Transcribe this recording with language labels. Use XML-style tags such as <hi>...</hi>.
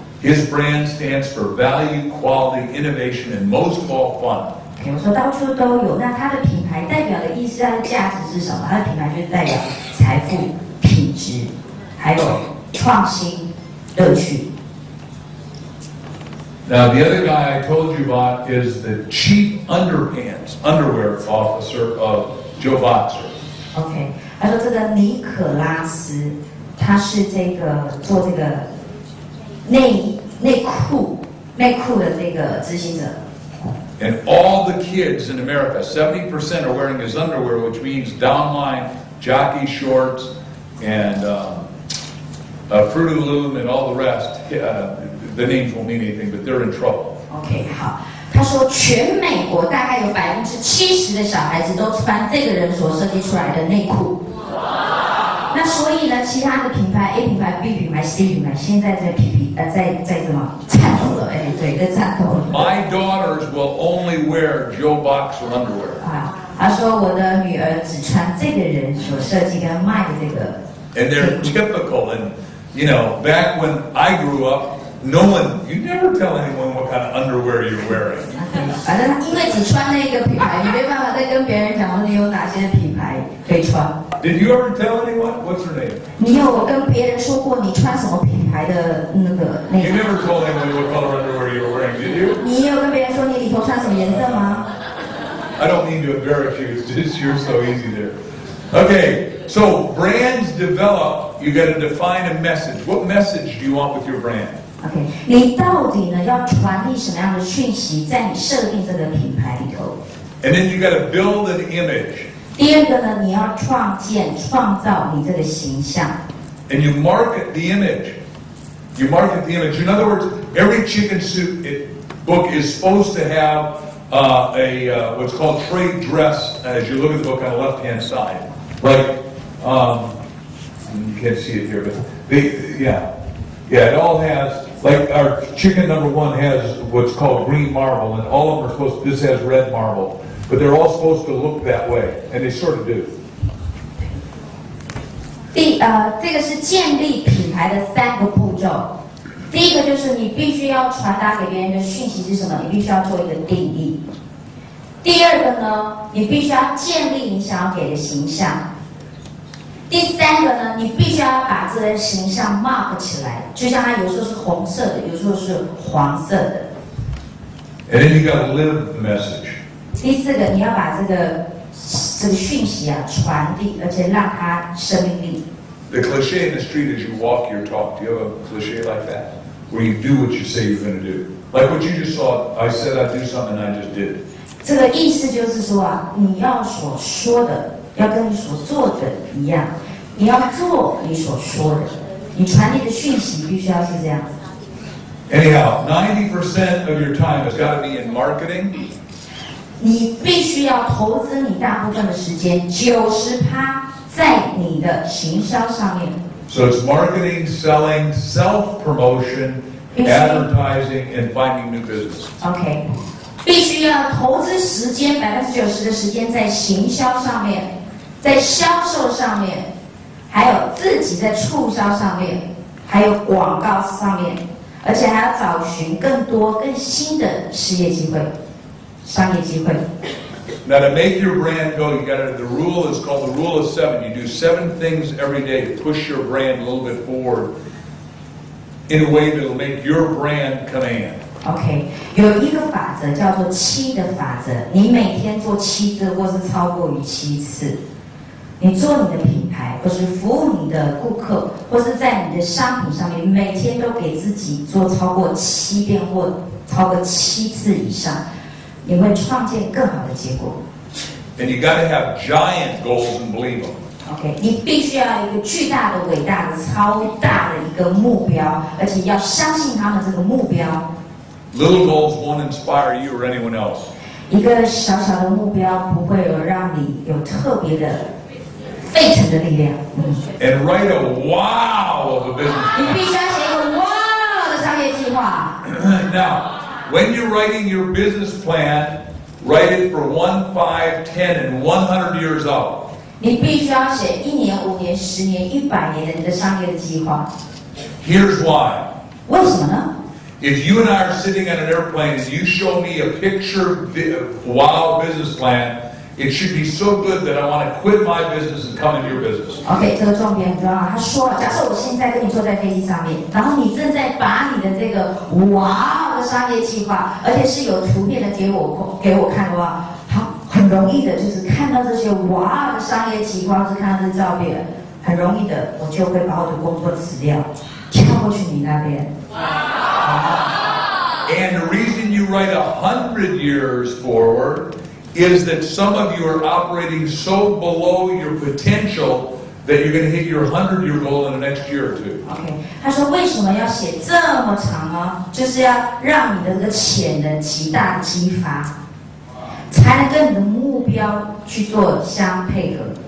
<en>His brand stands for value, quality, innovation, and most of all, fun.</en> <zh>我说到处都有，那它的品牌代表的意思，它的价值是什么？它的品牌就是代表财富、品质，还有创新、乐趣。</zh> <en>Now the other guy I told you about is the chief underwear officer of Joe Boxer.</en> <zh>Okay, 他说这个尼可拉斯，他是这个做这个。内裤的这个执行者。</zh> <en>And all the kids in America, 70% are wearing his underwear, which means downline jockey shorts and Fruit of the Loom and all the rest. The names won't mean anything, but they're in trouble.</en> <zh>Okay, 好。他说全美国大概有70%的小孩子都穿这个人所设计出来的内裤。那所以呢，其他的品牌 A 品牌、B 品牌、C 品牌，现在在 在什么颤抖了？哎，对，在颤抖。</zh> <en>My daughters will only wear Joe Boxer underwear。</en> <zh>啊，他说我的女儿只穿这个人所设计跟卖的这个。</zh> <en>And they're typical, and you know, back when I grew up, no one, you never tell anyone what kind of underwear you're wearing。</en> <zh>反正因为只穿那个品牌，你没办法再跟别人讲说你有哪些品牌可以穿。</zh> <en>Did you ever tell anyone? What's her name?</en> <zh>你有跟别人说过你穿什么品牌的那个内</zh> <en>衣？ You never told anyone what color underwear you were wearing, did you?</en> <zh>你有跟别人说你里头穿什么颜色吗？</zh> <en>I don't mean to embarrass you. It's just you're so easy there. Okay, so brands develop. You got to define a message. What message do you want with your brand? Okay, 你到底呢要传递什么样的讯息在你设定这个品牌里头？ And then you got to build an image. 第二个呢，你要创建、创造你这个形象。 And you market the image. You market the image. In other words, every chicken soup book is supposed to have what's called trade dress. As you look at the book on the left hand side, like you can't see it here, but it all has like our chicken number one has what's called green marble, and all of them are supposed. This has red marble. But they're all supposed to look that way, and they sort of do.</en> <zh>这个是建立品牌的三个步骤。第一个就是你必须要传达给别人的讯息是什么，你必须要做一个定义。第二个呢，你必须要建立你想要给的形象。第三个呢，你必须要把这个形象 mark 起来，就像它有时候是红色的，有时候是黄色的。</zh> <en>And then you got to live the message.</en> <zh>第四个，你要把这个讯息啊传递，而且让它生命力。</zh> <en>The cliche in the street is you walk your talk. Do you have a cliche like that, where you do what you say you're going to do? Like what you just saw, I said I'd do something, I just did.</en> <zh>这个意思就是说啊，你要所说的要跟你所做的一样，你要做你所说的，你传递的讯息必须要是这样。</zh> <en>Anyhow, 90% of your time has got to be in marketing.</en> <zh>你必须要投资你大部分的时间90%在你的行销上面。</zh> <en>So it's marketing, selling, self-promotion, advertising, and finding new business.</en> <zh>Okay, 必须要投资时间90%的时间在行销上面，在销售上面，还有自己在促销上面，还有广告上面，而且还要找寻更多更新的事业机会。商业机会。</zh> <en>Now to make your brand go, you got to, the rule is called the rule of seven. You do seven things every day to push your brand a little bit forward in a way that will make your brand command.</en> <zh>Okay, 有一个法则叫做七的法则，你每天做七次或是超过于七次，你做你的品牌或是服务你的顾客或是在你的商品上面，每天都给自己做超过七遍或超过七次以上，你会创建更好的结果。</zh> <en>And you gotta have giant goals and believe them.</en> <zh>Okay, 你必须要一个巨大的伟大的超大的一个目标，而且要相信他们这个目标。</zh> <en>Little goals won't inspire you or anyone else.</en> <zh>一个小小的目标不会有让你有特别的沸腾的力量。</zh> <en>And write a wow of a business plan.</en> <zh>你必须要写一个 wow 的商业计划。</zh> <en>Now,When you're writing your business plan, write it for 1, 5, 10, and 100 years out.</en> <zh>你必须要写一年、五年、十年、一百年的你的商业的计划。</zh> <en>Here's why.</en> <zh>为什么呢？</zh> <en>If you and I are sitting on an airplane and you show me a picture wow business plan, it should be so good that I want to quit my business and come into your business.</en> <zh>Okay, 这个重点很重要。他说了，假设我现在跟你坐在飞机上面，然后你正在把你的这个哇的商业计划，而且是有图片的给我看的话，好，很容易的，就是看到这些哇的商业计划，是看到这些照片，很容易的，我就会把我的工作辞掉，跳过去你那边。</zh> <en>And the reason you write 100 years forward. Is that some of you are operating so below your potential that you're going to hit your 100-year goal in the next year or two?</en> <zh>Okay, 他说为什么要写这么长呢？就是要让你的那个潜能极大激发，才能跟你的目标去做相配合。</zh>